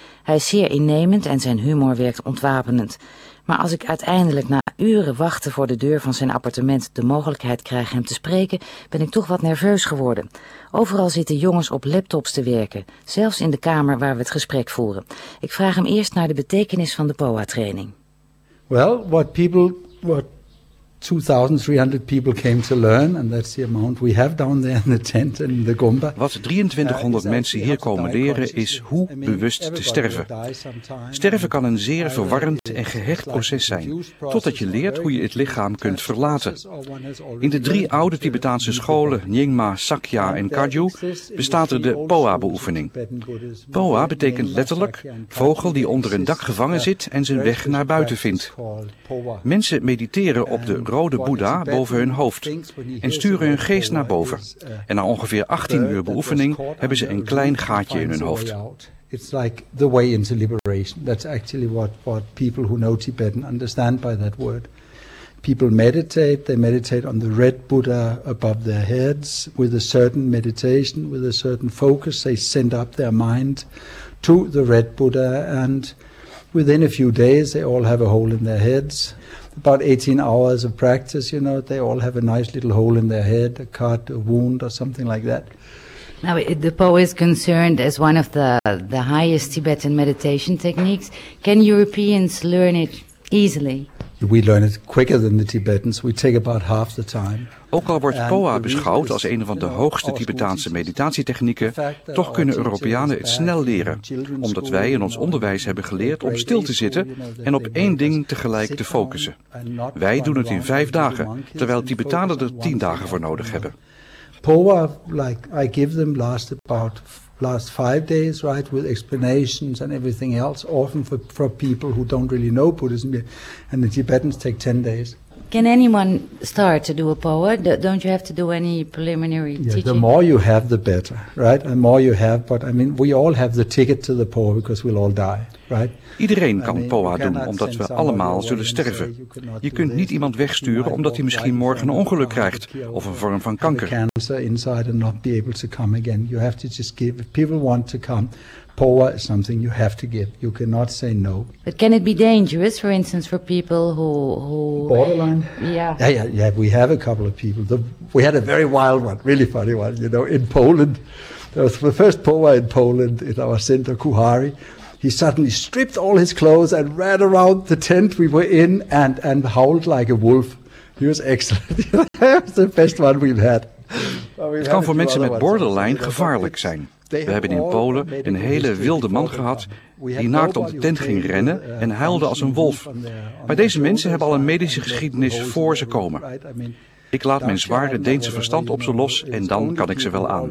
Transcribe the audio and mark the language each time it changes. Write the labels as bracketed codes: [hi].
[nl] Hij is zeer innemend en zijn humor werkt ontwapenend. Maar als ik uiteindelijk na uren wachten voor de deur van zijn appartement de mogelijkheid krijg hem te spreken, ben ik toch wat nerveus geworden. Overal zitten jongens op laptops te werken, zelfs in de kamer waar we het gesprek voeren. Ik vraag hem eerst naar de betekenis van de POA-training. [en] Well, what 2,300 people came to learn, and that's the amount we have down there in the tent and the Gomba. [nl] Wat 2,300 mensen hier komen leren is hoe bewust te sterven. Sterven kan een zeer verwarrend en gehecht proces zijn, totdat je leert hoe je het lichaam kunt verlaten. In de 3 oude Tibetaanse scholen, Nyingma, Sakya en Kagyu, bestaat er de POA-beoefening. POA betekent letterlijk vogel die onder een dak gevangen zit en zijn weg naar buiten vindt. Mensen mediteren op de rode Boeddha boven hun hoofd en sturen hun geest naar boven. En na ongeveer 18 uur beoefening hebben ze een klein gaatje in hun hoofd. [en] It's like the way into liberation. That's actually what people who know Tibetan understand by that word. People meditate, they meditate on the red Buddha above their heads with a certain meditation, with a certain focus. They send up their mind to the red Buddha and Within a few days, they all have a hole in their heads. About 18 hours of practice, you know, they all have a nice little hole in their head, a cut, a wound, or something like that. Now, the Po is concerned as one of the highest Tibetan meditation techniques. Can Europeans learn it easily? We learn it quicker than the Tibetans. We take about half the time. [nl] Ook al wordt Poa beschouwd als een van de hoogste Tibetaanse meditatietechnieken, toch kunnen Europeanen het snel leren, omdat wij in ons onderwijs hebben geleerd om stil te zitten en op één ding tegelijk te focussen. Wij doen het in 5 dagen, terwijl Tibetanen er 10 dagen voor nodig hebben. [en] Poa, like I give them last 5 days, right, with explanations and everything else, often for people who don't really know Buddhism, and the Tibetans take 10 days. Can anyone start to do a Poa? Don't you have to do any preliminary teaching? The more you have, the better, right? The more you have, but I mean, we all have the ticket to the Poa because we'll all die, right? [nl] Iedereen kan Poa doen, omdat we allemaal zullen sterven. Je kunt niet iemand wegsturen omdat hij misschien morgen een ongeluk krijgt of een vorm van kanker. [en] Cancer inside and not be able to come again. You have to just give. If people want to come, Poa is something you have to give. You cannot say no. But can it be dangerous, for instance, for people who borderline? Yeah. We have a couple of people. We had a very wild one, really funny one, you know, in Poland. There was the first Poa in Poland in our center, Kuhari. He suddenly stripped all his clothes and ran around the tent we were in and howled like a wolf. He was excellent. That was the best one we've had. [nl] Het kan voor mensen met borderline gevaarlijk zijn. We hebben in Polen een hele wilde man gehad die naakt om de tent ging rennen en huilde als een wolf. Maar deze mensen hebben al een medische geschiedenis voor ze komen. Ik laat mijn zware Deense verstand op ze los en dan kan ik ze wel aan.